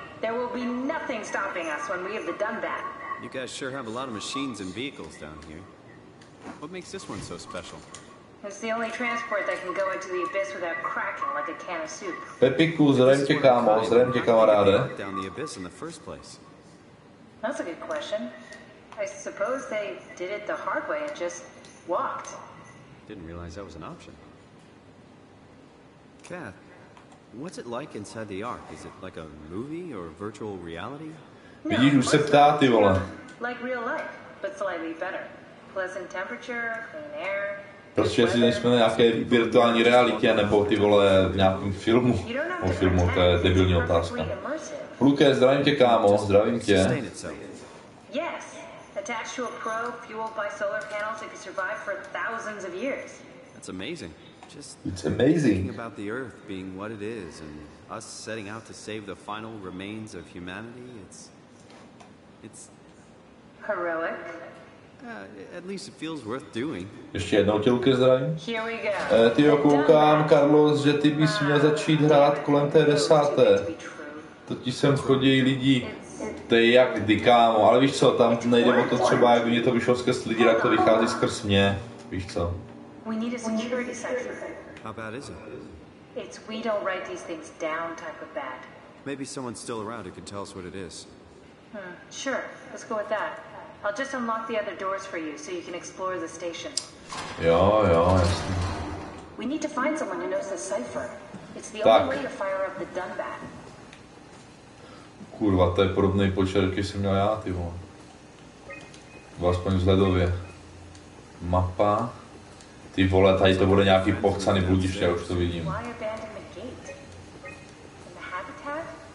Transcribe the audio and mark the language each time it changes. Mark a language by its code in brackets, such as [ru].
[en] There will be nothing stopping us when we have done that. You guys sure have a lot of machines and vehicles down here. What makes this one so special? It's the only transport that can go into the abyss without cracking like a can of soup. [cs] Pepiku, zdravím tě, kámo, zdravím tě, kamaráde. [en] Down the abyss in the first place. That's a good question. I suppose they did it the hard way and just walked. Didn't realize that was an option. Kath, what's it like inside the Ark? Is it like a movie or a virtual reality? [cs] Vidíš, už se ptá, ty vole. [en] Like real life, but slightly better. Pleasant temperature, clean air. [cs] Prostě jestli nejsme na nějaké virtuální realitě, nebo ty vole v nějakém filmu. O filmu, to je debilní otázka. Luke, zdravím tě, kámo, zdravím tě. [en] Yes, attached to a probe fueled by solar panels that could survive for thousands of years. That's amazing. It's amazing. Thinking about the Earth being what it is and us setting out to save the final remains of humanity, it's heroic. At least it feels worth doing. [cs] Ještě jednou tě, Luke, zdravím. [en] Here we go. [cs] Ty jo, koukám, Carlos, že ty bys měl začít hrát kolem té desáté. To ti sem chodí lidi. To je jak kdy, kámo, ale víš co, tam nejde o to třeba, jak vidí to vyšlo skrz lidi, tak to vychází skrz mě. Víš co? [en] We need a security sector. How bad is it? It's we don't write these things down type of bad. Maybe someone's still around who can tell us what it is. Sure, let's go with that. I'll just unlock the other doors for you, so you can explore the station. [cs] Jo, jo, jasný. [en] We need to find someone who knows the cipher. It's the only way to fire up the Dunbat. [cs] Kurva, to je podobný počet, jaký jsem měl já, ty vole. Alespoň vzhledově. Mapa. Ty vole, tady to bude nějaký pochcaný bludiště, já už to vidím. [en] Why abandon the gate? In the habitat?